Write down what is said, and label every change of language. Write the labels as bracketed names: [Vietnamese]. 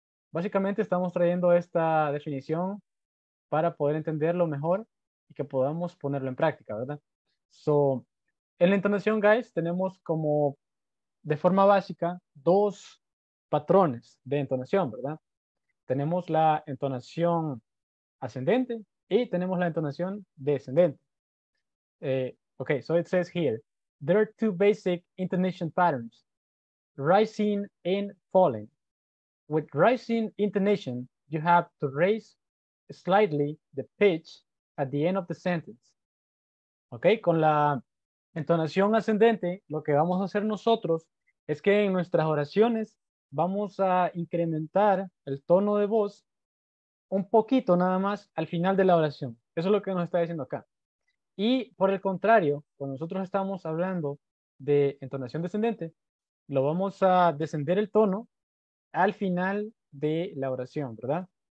[Spanish] Básicamente estamos trayendo esta definición para poder entenderlo mejor y que podamos ponerlo en práctica, ¿verdad? So, en la entonación, guys, tenemos como de forma básica dos patrones de entonación, ¿verdad? Tenemos la entonación ascendente y tenemos la entonación descendente. [English] Okay, so it says here, there are two basic intonation patterns, rising and falling. With rising intonation, you have to raise slightly the pitch at the end of the sentence. [Spanish] Okay, con la entonación ascendente, lo que vamos a hacer nosotros es que en nuestras oraciones vamos a incrementar el tono de voz un poquito nada más al final de la oración. Eso es lo que nos está diciendo acá. Y por el contrario, cuando nosotros estamos hablando de entonación descendente, lo vamos a descender el tono al final de la oración, ¿verdad?